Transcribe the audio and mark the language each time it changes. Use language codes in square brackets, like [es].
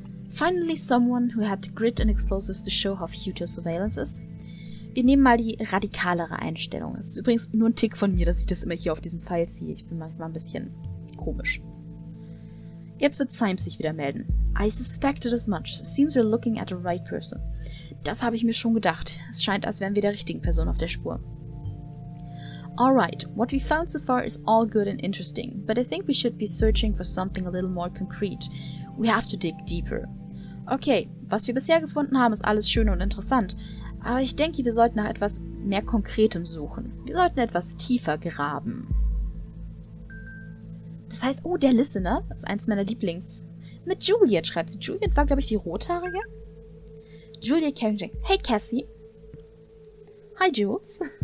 [en] Finally someone who had grit and explosives to show how future surveillance is. [de] Wir nehmen mal die radikalere Einstellung. Es ist übrigens nur ein Tick von mir, dass ich das immer hier auf diesem Pfeil ziehe. Ich bin manchmal ein bisschen komisch. Jetzt wird Symes sich wieder melden. [en] I suspected as much. Seems we're looking at the right person. [de] Das habe ich mir schon gedacht. Es scheint, als wären wir der richtigen Person auf der Spur. [en] Alright, what we found so far is all good and interesting, but I think we should be searching for something a little more concrete. We have to dig deeper. [de] Okay, was wir bisher gefunden haben, ist alles schön und interessant, aber ich denke, wir sollten nach etwas mehr Konkretem suchen. Wir sollten etwas tiefer graben. Das heißt, oh, der Listener ist eins meiner Lieblings. Mit Juliet, schreibt sie. Juliet war, glaube ich, die Rothaarige. Juliet Carrington. Hey, Cassie. Hi, Jules.